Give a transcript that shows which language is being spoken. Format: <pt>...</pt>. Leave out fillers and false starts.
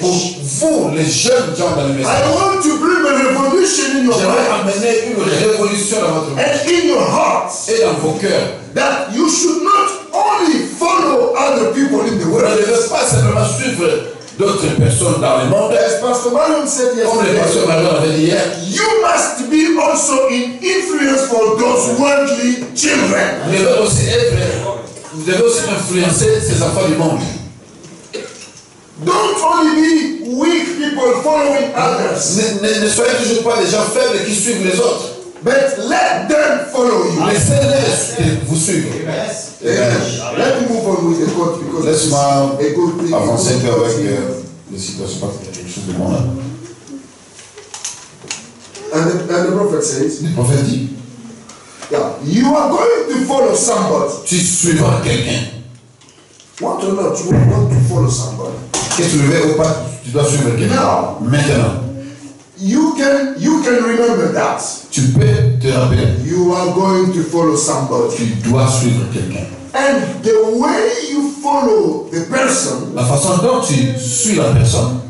<fr>Pour vous, les jeunes gens dans le message.</fr> <en>I want to bring a revolution in your heart.</en> <fr>J'aimerais amener une révolution dans votre</fr> <en>mind. And in your hearts.</en> <fr>Et dans vos cœurs.</fr> <en>That you should not only follow other people in the world.</en> <fr>Vous ne devez pas simplement suivre d'autres personnes dans le monde.</fr> <en>As Pastor Marlon said yesterday.</en> <fr>Comme le Pastor Marlon avait dit hier.</fr> <en>You must be also in influence for those worldly children.</en> <fr>Vous devez aussi être. Vous devez aussi influencer ces enfants du monde.</fr> <en>Don't only be weak people following others.</en> <fr>Ne soyez toujours pas des gens faibles qui suivent les autres.</fr> <en>But let them follow you.</en> <fr>Laissez-les vous suivre.</fr> <en>Let me move on with the court because.</en> <fr>Laisse-moi avancer un peu avec les situations particulières du monde.</fr> <en>And the prophet says.</en> <fr>Le prophète dit.</fr> <en>Yeah. You are going to follow somebody.</en> <fr>Tu suivras quelqu'un.</fr> <en>What or not, you are going to follow somebody.</en> <fr>Que tu le veux ou pas, tu dois suivre quelqu'un.</fr> <en>Now,</en> <fr>maintenant.</fr> <en>You can remember that.</en> <fr>Tu peux te rappeler.</fr> <en>You are going to follow somebody.</en> <fr>Tu dois suivre quelqu'un.</fr> <en>And the way you follow the person.</en> <fr>La façon dont tu suis la personne.</fr>